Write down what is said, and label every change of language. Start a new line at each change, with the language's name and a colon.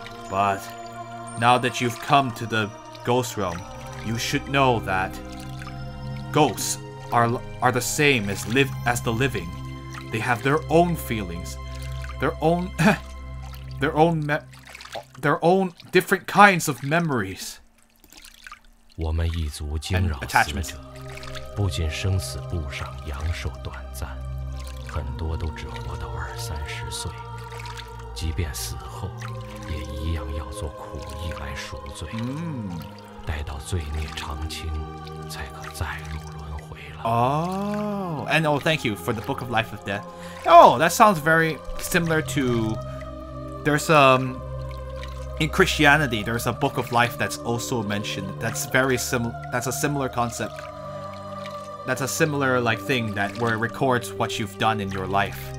English: But now that you've come to the Ghost Realm, you should know that ghosts are the same as the living. They have their own feelings, their own different kinds of memories.
Chinese: 我们一族惊扰死者，不仅生死簿上阳寿短暂，很多都只活到二三十岁。即便死后，也一样要做苦役来赎罪。待到罪孽偿清，才可再入轮回了。
English: Oh, and oh, thank you for the Book of Life of Death. Oh, that sounds very similar to in Christianity. There's a Book of Life that's also mentioned. That's very similar. That's a similar concept. That's a similar like thing that where it records what you've done in your life.